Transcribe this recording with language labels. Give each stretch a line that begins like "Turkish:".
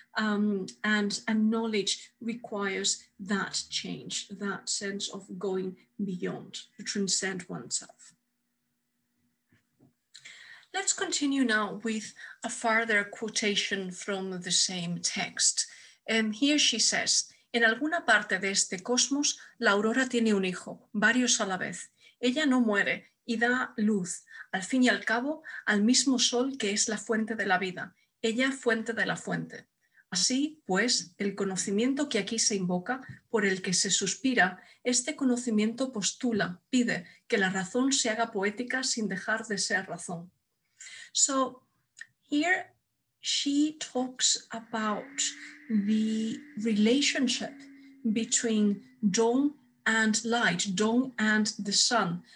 English: And knowledge requires that change, that sense of going beyond, to transcend oneself. Let's continue now with a further quotation from the same text. And here she says,
Spanish: en alguna parte de este cosmos, la aurora tiene un hijo, varios a la vez. Ella no muere y da luz, al fin y al cabo, al mismo sol que es la fuente de la vida, ella fuente de la fuente. Así, pues, el conocimiento que aquí se invoca, por el que se suspira, este conocimiento postula, pide, que la razón se haga poética sin dejar de ser razón.
English: So, here she talks about the relationship between dawn and light, dawn and the sun.